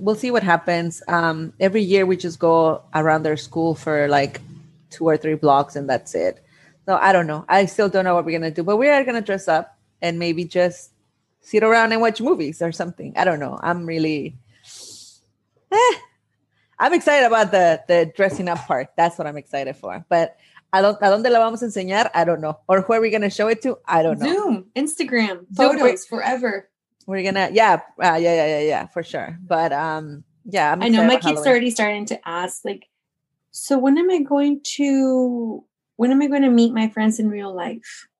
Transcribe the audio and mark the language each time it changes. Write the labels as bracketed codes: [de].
[en] We'll see what happens. Every year we just go around their school for two or three blocks and that's it. So I don't know. I still don't know what we're going to do, but we are going to dress up and maybe just sit around and watch movies or something. I don't know. I'm really, I'm excited about the dressing up part. That's what I'm excited for. [es] But ¿a dónde la vamos a enseñar? [en] I don't know. Or who are we going to show it to? I don't know. Zoom, Instagram, photos forever. We're going to, yeah, for sure. But I know my kids are already starting to ask, so when am I going to meet my friends in real life?